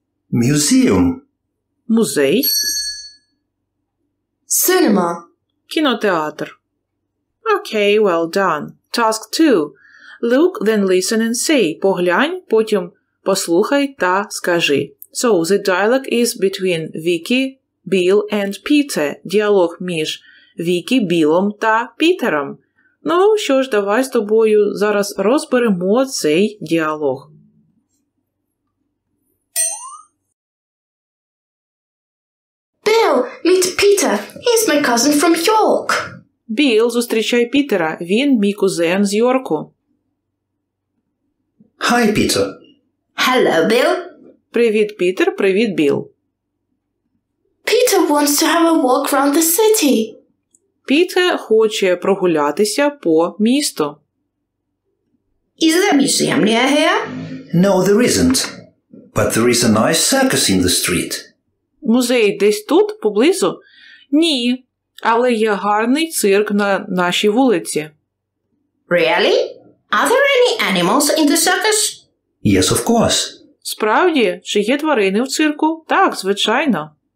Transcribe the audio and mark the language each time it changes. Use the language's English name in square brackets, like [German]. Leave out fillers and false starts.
[English] Museum. [Ukrainian] Музей. [English] Cinema. Кінотеатр. Okay, well done. Task 2. Look, then listen and say. [Ukrainian] Поглянь, потім послухай та скажи. [English] So, the dialogue is between Vicky, Bill and Peter. [Ukrainian] Діалог між Вікі, Білом та Пітером. Ну, що ж, давай з тобою зараз розберемо цей діалог. [English] Bill, meet Peter. He's my cousin from York. [Ukrainian] Bill, зустрічай Пітера. Він мій кузен з Йорку. [English] Hi, Peter. Hello, Bill. [Ukrainian] Привіт, Пітер. Привіт, Білл. [English] Peter wants to have a walk around the city. [Ukrainian] Peter хоче прогулятися по місту. [English] Is there a museum near here? No, there isn't. But there is a nice circus in the street. [Ukrainian] Музей десь тут, поблизу? Ні, але є гарний цирк на нашій вулиці. [English] Really? Are there any animals in the circus? Yes, of course. [Ukrainian] Справді, чи є тварини в цирку? Так, звичайно.